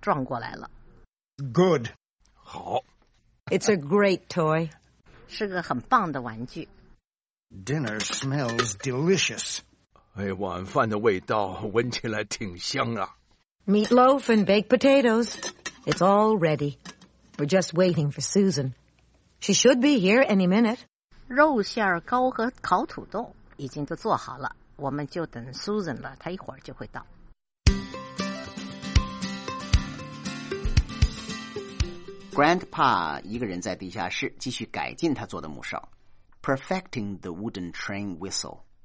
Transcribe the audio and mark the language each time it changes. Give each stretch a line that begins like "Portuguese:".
Chinese: 我觉得好像是一列火车脱轨，直冲着我们家的房子撞过来了。Good. 好。It's
English: a great toy.
Chinese: 是个很棒的玩具。Dinner
English: smells delicious.
Chinese: 哎，晚饭的味道闻起来挺香啊。
English: Meatloaf and baked potatoes. It's all ready. We're just waiting for Susan. She should be here any minute.
Chinese: 肉馅糕和烤土豆已经都做好了，我们就等Susan了，她一会儿就会到。Grandpa 一个人在地下室继续改进他做的木哨。
English: Perfecting the wooden train whistle.